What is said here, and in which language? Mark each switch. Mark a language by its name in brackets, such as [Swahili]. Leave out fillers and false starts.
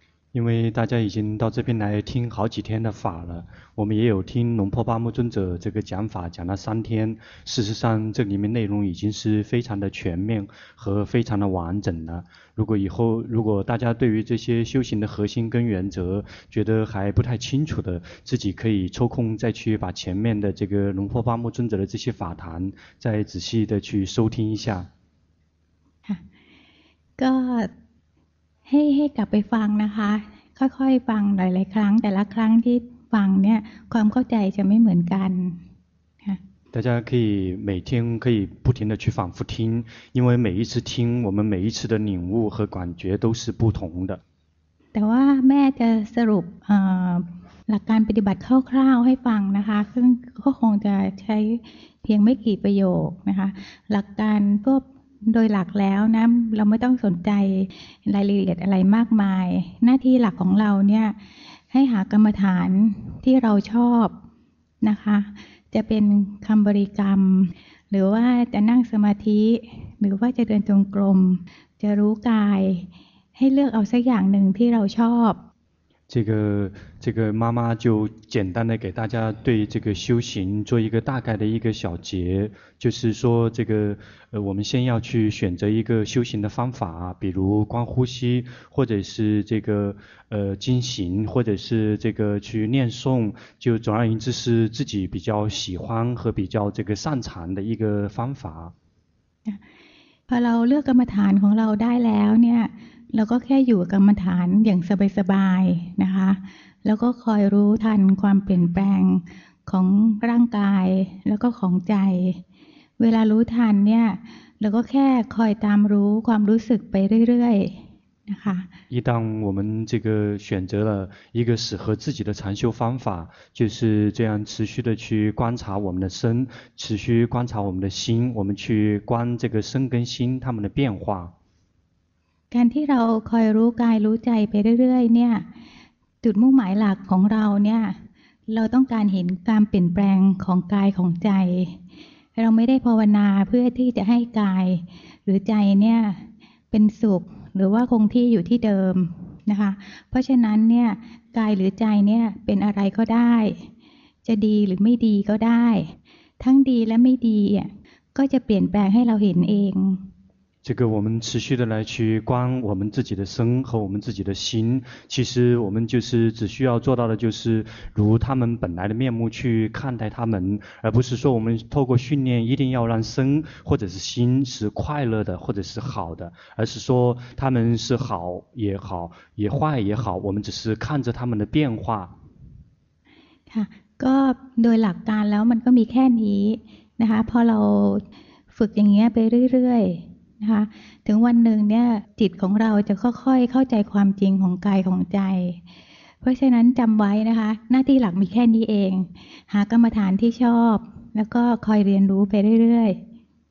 [Chinese] 因为大家已经到这边来听好几天的法了，我们也有听龙婆巴木尊者这个讲法讲了三天，事实上这里面内容已经是非常的全面和非常的完整了。如果大家对于这些修行的核心跟原则觉得还不太清楚的，自己可以抽空再去把前面的这个龙婆巴木尊者的这些法谈再仔细的去收听一下。 God. [Thai] ให้กลับไปฟังนะคะค่อยๆฟังหลายๆครั้งแต่ละครั้งที่ฟังเนี่ยความเข้าใจจะไม่เหมือนกันค่ะ [Chinese] 大家可以每天可以不停的去反复听，因为每一次听，我们每一次的领悟和感觉都是不同的。 [Thai] แต่ว่าแม่จะสรุปหลักการปฏิบัติคร่าวๆให้ฟังนะคะซึ่งก็คงจะใช้เพียงไม่กี่ประโยคนะคะหลักการพวกโดยหลักแล้วนะเราไม่ต้องสนใจ รายละเอียดอะไรมากมายหน้าที่หลักของเราเนี่ยให้หากรรมฐานที่เราชอบนะคะจะเป็นคำบริกรรมหรือว่าจะนั่งสมาธิหรือว่าจะเดินจงกรมจะรู้กายให้เลือกเอาสักอย่างหนึ่งที่เราชอบ [Chinese] 这个妈妈就简单的给大家对这个修行做一个大概的一个小结，就是说这个我们先要去选择一个修行的方法，比如观呼吸，或者是这个经行，或者是这个去念诵，就总而言之是自己比较喜欢和比较这个擅长的一个方法。 [Thai] พอเราเลือกกรรมฐานของเราได้แล้วเนี่ยเราก็แค่อยู่กับกรรมฐานอย่างสบายๆนะคะแล้วก็คอยรู้ทันความเปลี่ยนแปลงของร่างกายแล้วก็ของใจเวลารู้ทันเนี่ยเราก็แค่คอยตามรู้ความรู้สึกไปเรื่อยๆ [Chinese] 一旦我们这个选择了一个适合自己的禅修方法，就是这样持续的去观察我们的身，持续观察我们的心，我们去观这个身跟心它们的变化。 [Thai] การที่เราคอยรู้กายรู้ใจไปเรื่อยๆเนี่ยจุดมุ่งหมายหลักของเราเนี่ยเราต้องการเห็นการเปลี่ยนแปลงของกายของใจเราไม่ได้ภาวนาเพื่อที่จะให้กายหรือใจเนี่ยเป็นสุขหรือว่าคงที่อยู่ที่เดิมนะคะเพราะฉะนั้นเนี่ยกายหรือใจเนี่ยเป็นอะไรก็ได้จะดีหรือไม่ดีก็ได้ทั้งดีและไม่ดีก็จะเปลี่ยนแปลงให้เราเห็นเอง [Chinese] 这个我们持续的来去观我们自己的身和我们自己的心，其实我们就是只需要做到的就是如他们本来的面目去看待他们，而不是说我们透过训练一定要让身或者是心是快乐的或者是好的，而是说他们是好也好也坏也好，我们只是看着他们的变化。 [Thai] ค่ะก็โดยหลักการแล้วมันก็มีแค่นี้นะคะพอเราฝึกอย่างเงี้ยไปเรื่อยๆนะคะถึงวันหนึ่งเนี่ยจิตของเราจะค่อยๆเข้าใจความจริงของกายของใจเพราะฉะนั้นจำไว้นะคะหน้าที่หลักมีแค่นี้เองหากรรมฐานที่ชอบแล้วก็คอยเรียนรู้ไปเรื่อยๆ